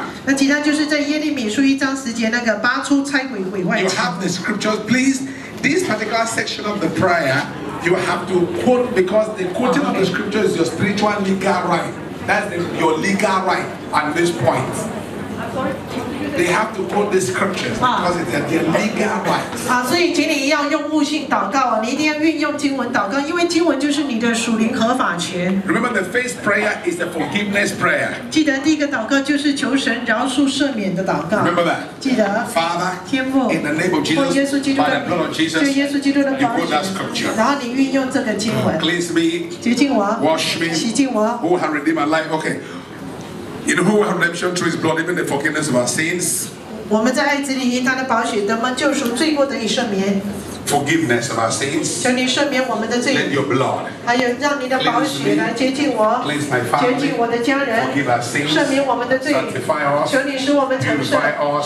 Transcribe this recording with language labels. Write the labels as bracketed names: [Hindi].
[Chinese] 那其他就是在耶利米书一章十节那个拔出拆毁毁坏。 [English] You have the scriptures, please. This particular section of the prayer, you have to quote because the quoting of the scripture is your spiritual legal right. That's your legal right at this point. They have to quote the scriptures because it's their legal right. [Chinese] 好，所以请你要用悟性祷告，你一定要运用经文祷告，因为经文就是你的属灵合法权。 [English] Remember, the first prayer is the forgiveness prayer. [Chinese] 记得第一个祷告就是求神饶恕赦免的祷告。 [English] Remember that. [Chinese] 记得。 [English] Father, [Chinese] 天父 [English] ，in the name of Jesus, [Chinese] 奉耶稣基督的名，奉耶稣基督的 [English] 名 ，you quote that scripture. [Chinese] 然后你运用这个经文 [English] ，cleanse me, [Chinese] 洁净我 [English] ，wash me, [Chinese] 洗净我 [English] ，who have redeemed my life? Okay. You know who will have redemption through His blood, even the forgiveness of our sins. [Chinese] 我们在爱子里因他的宝血得蒙救赎，罪过得以赦免。 [English] forgiveness of our sins. [Chinese] 求你赦免我们的罪。 [English] Let your blood. [Chinese] 还有让你的宝血来洁净我。 [English] Cleanse my family. [Chinese] 洁净我的家人。 [English] Forgive our sins. [Chinese] 赦免我们的罪。 [English] Sanctify us. [Chinese] 求你使我们成圣。 [English] Purify us.